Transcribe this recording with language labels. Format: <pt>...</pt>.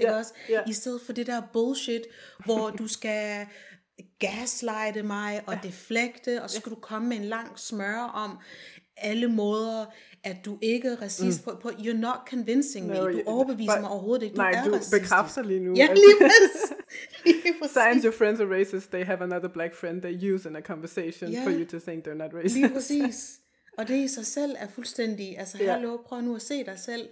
<da>Ikke også? I stedet for det der bullshit, hvor du skal gaslighte mig og deflekte, og så skal du komme med en lang smøre om alle måder, at du ikke er racist.</da> <en>På you're not convincing me.</en> <da>Du overbeviser mig overhovedet ikke. Nej, du bekræfter lige nu. Ja, lige præcis.</da> <en>Science, your friends are racist. They have another black friend they use in a conversation for you to think they're not racist.</en> <da>Lige præcis. Og det i sig selv er fuldstændig, altså hallo, prøv nu at se dig selv.</da>